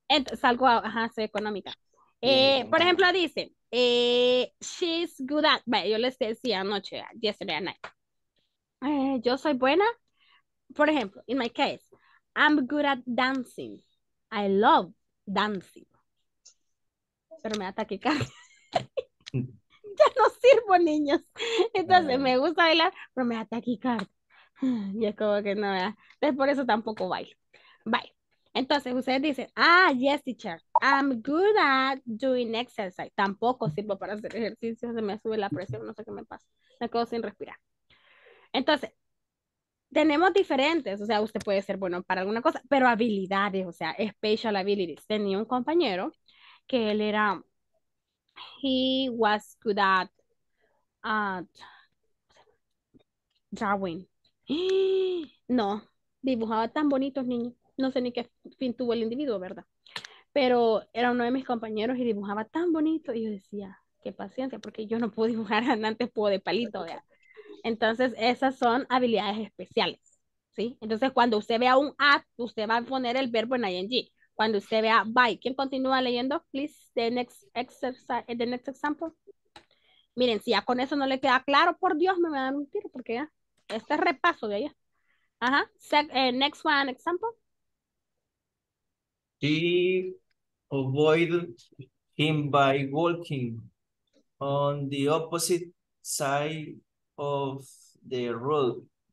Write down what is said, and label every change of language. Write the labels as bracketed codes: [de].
[es] Entonces, salgo, soy económica. Por ejemplo, dice, [en] she's good at, [es] bueno, yo les decía anoche, [en] yesterday night, [es] yo soy buena, por ejemplo, [en] in my case, I'm good at dancing, I love dancing, [es] pero me da taquicardia. Ya no sirvo, niños. Entonces, me gusta bailar, pero me da taquicardia. Y es como que no, ¿verdad? Es por eso tampoco bailo. Bye. Entonces, ustedes dicen, [en] yes, teacher, I'm good at doing exercise. [es] Tampoco sirvo para hacer ejercicio, se me sube la presión, no sé qué me pasa. Me quedo sin respirar. Entonces, tenemos diferentes, o sea, usted puede ser bueno para alguna cosa, pero habilidades, o sea, [en] special abilities. [es] Tenía un compañero que él era... [en] He was good at drawing. [es] No, dibujaba tan bonitos, niños. No sé ni qué fin tuvo el individuo, ¿verdad? Pero era uno de mis compañeros y dibujaba tan bonito. Y yo decía, qué paciencia, porque yo no puedo dibujar, antes puedo de palito, ¿verdad? Entonces, esas son habilidades especiales, ¿sí? Entonces, cuando usted vea un at, usted va a poner el verbo en ing. Cuando usted vea, bye. ¿Quién continúa leyendo? [en] Please, the next example. [es] Miren, si ya con eso no le queda claro, por Dios, me va a dar un tiro, porque ya, este repaso de allá. [en] Ajá. Next one, example. She avoided him by walking on the opposite side of the road.